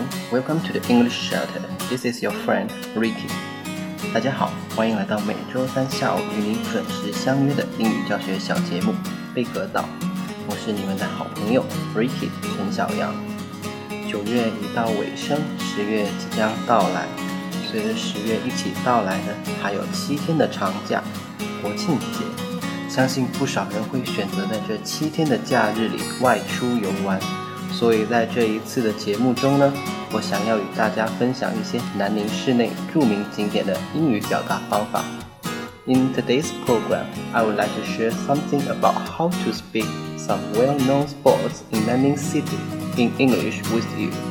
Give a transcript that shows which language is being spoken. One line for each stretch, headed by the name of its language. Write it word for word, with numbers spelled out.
English: Welcome to the English Shelter. This is your friend Ricky.
Chinese: 大家好，欢迎来到每周三下午与您准时相约的英语教学小节目《贝壳岛》。我是你们的好朋友 Ricky 陈小阳。九月已到尾声，十月即将到来。随着十月一起到来呢，还有七天的长假——国庆节。相信不少人会选择在这七天的假日里外出游玩。所以在这一次的节目中呢，我想要与大家分享一些南宁市内著名景点的英语表达方法。
English: In today's program, I would like to share something about how to speak some well-known spots in Nanning City in English with you.